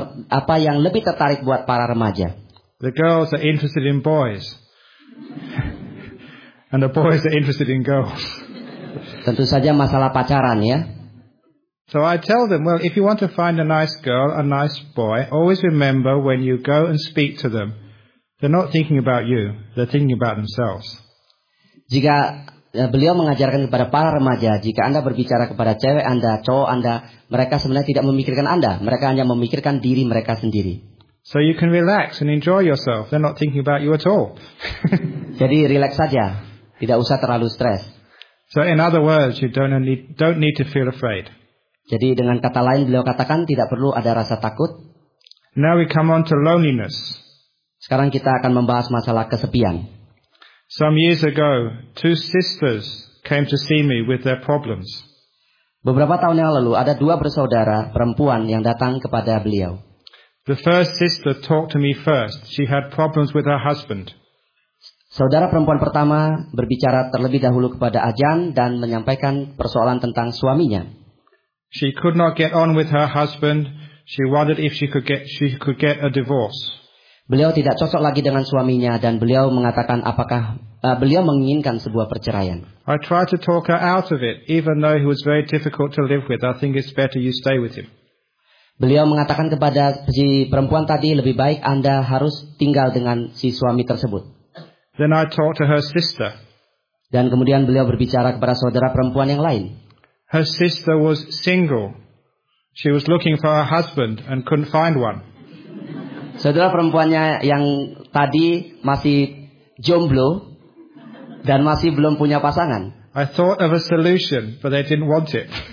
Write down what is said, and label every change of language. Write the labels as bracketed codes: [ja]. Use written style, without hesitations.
[id] Apa yang lebih tertarik buat para remaja? [en] The girls are interested in boys. And the boys are interested in girls. [id] Tentu saja masalah pacaran ya. [en] So I tell them, well, if you want to find a nice girl, a nice boy, always remember when you go and speak to them, they're not thinking about you, they're thinking about themselves. [id] Jika beliau mengajarkan kepada para remaja, jika Anda berbicara kepada cewek Anda, cowok Anda, mereka sebenarnya tidak memikirkan Anda, mereka hanya memikirkan diri mereka sendiri. [en] So you can relax and enjoy yourself, they're not thinking about you at all. [id] Jadi relax saja, tidak usah terlalu stres. [en] So in other words, you don't need to feel afraid. [id] Jadi dengan kata lain beliau katakan tidak perlu ada rasa takut. [en] Now we come on to loneliness. [id] Sekarang kita akan membahas masalah kesepian. [en] Some years ago, two sisters came to see me with their problems. [id] Beberapa tahun yang lalu ada dua bersaudara perempuan yang datang kepada beliau. [en] The first sister talked to me first. She had problems with her husband. [id] Saudara perempuan pertama berbicara terlebih dahulu kepada Ajahn dan menyampaikan persoalan tentang suaminya. [en] She could not get on with her husband. She wondered if she could get a divorce. [id] Beliau tidak cocok lagi dengan suaminya dan beliau mengatakan apakah beliau menginginkan sebuah perceraian. [en] I tried to talk her out of it, even though he was very difficult to live with. I think it's better you stay with him. [id] Beliau mengatakan kepada si perempuan tadi lebih baik Anda harus tinggal dengan si suami tersebut. [en] Then I talked to her sister. [id] Dan kemudian beliau berbicara kepada saudara perempuan yang lain. [en] Her sister was single. She was looking for her husband and couldn't find one. [id] Saudara perempuannya yang tadi masih jomblo dan masih belum punya pasangan. [en] I thought of a solution, but they didn't want it.